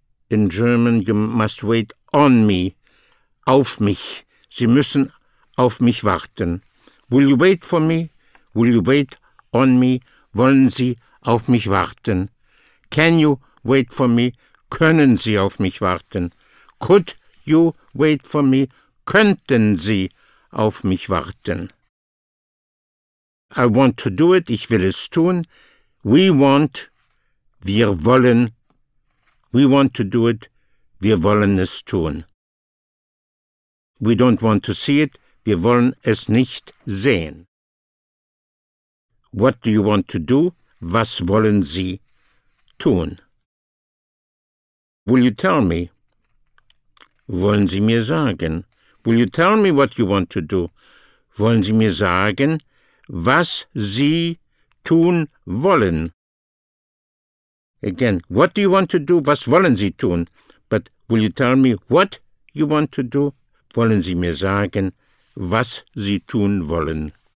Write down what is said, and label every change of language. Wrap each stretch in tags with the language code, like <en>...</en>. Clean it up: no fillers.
<en>In German, you must wait on me.</en> <de>Auf mich. Sie müssen auf mich warten.</de> <en>Will you wait for me? Will you wait on me?</en> <de>Wollen Sie auf mich warten?</de> <en>Can you wait for me?</en> <de>Können Sie auf mich warten?</de> <en>Could you wait for me?</en> <de>Könnten Sie auf mich warten?</de> <en>I want to do it.</en> <de>Ich will es tun.</de> <en>We want.</en> <de>Wir wollen.</de> <en>We want to do it.</en> <de>Wir wollen es tun.</de> <en>We don't want to see it.</en> <de>Wir wollen es nicht sehen.</de> <en>What do you want to do?</en> <de>Was wollen Sie tun?</de> <en>Will you tell me?</en> <de>Wollen Sie mir sagen?</de> <en>Will you tell me what you want to do?</en> <de>Wollen Sie mir sagen, was Sie tun wollen?</de> <en>Again, what do you want to do?</en> <de>Was wollen Sie tun?</de> <en>But will you tell me what you want to do?</en> <de>Wollen Sie mir sagen, was Sie tun wollen?</de>